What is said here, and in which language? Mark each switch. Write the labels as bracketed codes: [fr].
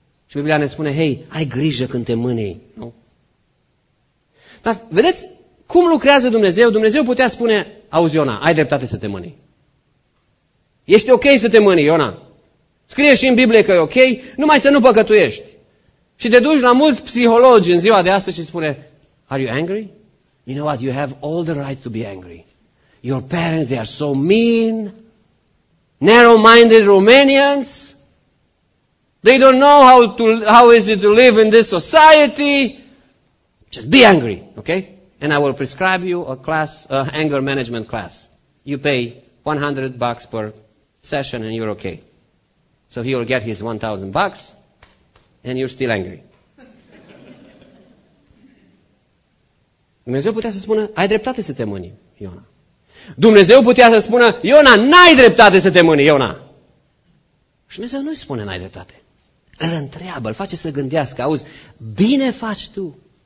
[ro] Și Biblia ne spune, hei, ai grijă când te mânii, nu? Dar vedeți cum lucrează Dumnezeu? Dumnezeu putea spune, auzi, Iona, ai dreptate să te mânii. Ești ok să te mânii, Iona. Scrie și în Biblie că e ok, numai să nu păcătuiești. Și te duci la mulți psihologi în ziua de astăzi și spune, [en] are you angry? You know what, you have all the right to be angry. Your parents, they are so mean, narrow-minded Romanians. They don't know how is it to live in this society. Just be angry, okay? And I will prescribe you a class, a anger management class. You pay $100 per session and you're okay. So he will get his $1,000 and you're still angry. [ro] Dumnezeu putea să spună, ai dreptate să te mâni, Iona. Dumnezeu putea să spună, Iona, n-ai dreptate să te mâni, Iona. Și Dumnezeu nu-i spune, n-ai dreptate. Îl întreabă, îl face să gândească, auzi, bine faci tu.